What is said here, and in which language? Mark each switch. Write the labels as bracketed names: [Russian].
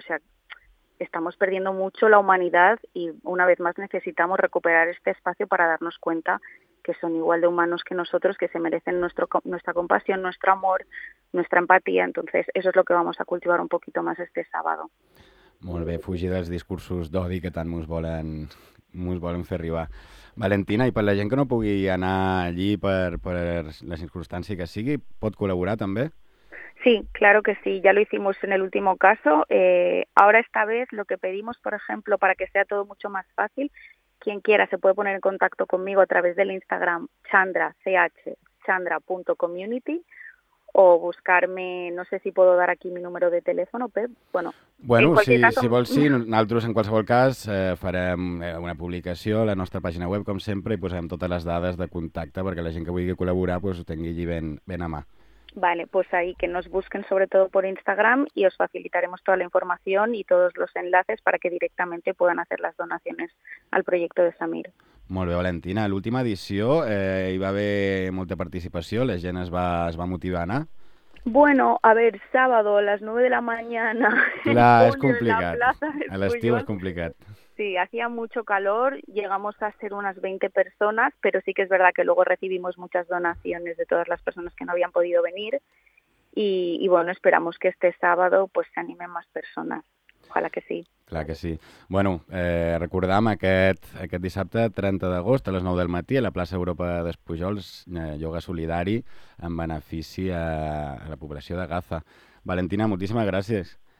[Spanish] O sea, estamos perdiendo mucho la humanidad y una vez más necesitamos recuperar este espacio para darnos cuenta que son igual de humanos que nosotros, que se merecen nuestra compasión, nuestro amor, nuestra empatía. Entonces, eso es lo que vamos a cultivar un poquito más este sábado. [Catalan] Molt bé, fugir dels discursos d'odi que tant mos volen fer arribar. Valentina, i per la gent que no pugui anar allí per la circumstància que sigui, pot col·laborar també? [Spanish] Sí, claro que sí, ya lo hicimos en el último caso. Ahora esta vez lo que pedimos, por ejemplo, para que sea todo mucho más fácil, quien quiera se puede poner en contacto conmigo a través del Instagram chandra.community o buscarme, no sé si puedo dar aquí mi número de teléfono, Pep. Bueno, [Catalan] si vols, sí, nosaltres en qualsevol cas farem una publicació a la nostra pàgina web, com sempre, i posarem totes les dades de contacte perquè la gent que vulgui col·laborar pues, ho tingui allí ben a mà. [Spanish] Vale, pues ahí que nos busquen sobre todo por Instagram y os facilitaremos toda la información y todos los enlaces para que directamente puedan hacer las donaciones al proyecto de Samir. [Catalan] Molt bé, Valentina. L'última edició hi va haver molta participació, la gent es va motivar a anar. [Spanish] Bueno, a ver, sábado a las 9 de la mañana. [Catalan] Clar, es complicat. A l'estiu és complicat. [Spanish] Sí, hacía mucho calor, llegamos a ser unas 20 personas, pero sí que es verdad que luego recibimos muchas donaciones de todas las personas que no habían podido venir y bueno, esperamos que este sábado pues se animen más personas. Ojalá que sí. [Catalan] Clar que sí. Bueno, recordem aquest dissabte 30 d'agost a les 9 del matí a la plaça Europa d'Espujols, ioga solidari en benefici a la població de Gaza. Valentina, moltíssimes gràcies.